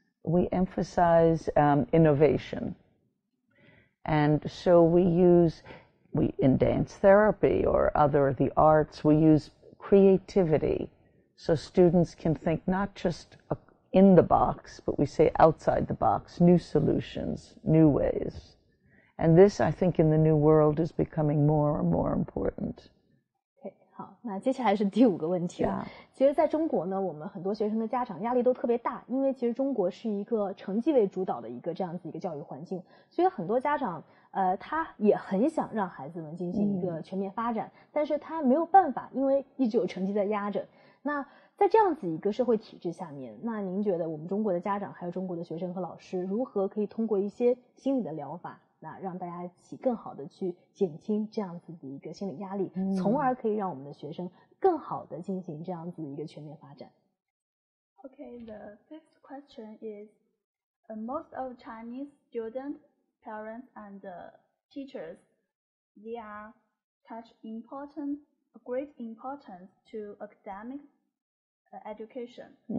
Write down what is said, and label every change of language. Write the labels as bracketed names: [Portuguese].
[English] We emphasize innovation. And so we in dance therapy or the arts, we use creativity so students can think not just in the box, but we say outside the box, new solutions, new ways. And this, I think, in the new world is becoming more and more important. [Chinese] 好，那接下来是第五个问题了。 [English] Yeah. [Chinese] 其实在中国呢，我们很多学生的家长压力都特别大，因为其实中国是一个成绩为主导的一个这样子一个教育环境，所以很多家长他也很想让孩子们进行一个全面发展，但是他没有办法，因为一直有成绩在压着。那在这样子一个社会体制下面，那您觉得我们中国的家长还有中国的学生和老师如何可以通过一些心理的疗法，那让大家一起更好的去减轻这样子的一个心理压力，从而可以让我们的学生更好的进行这样子一个全面发展。 [English] Okay, the fifth question is, most of Chinese students, parents, and teachers, they are such important, great importance to academic education.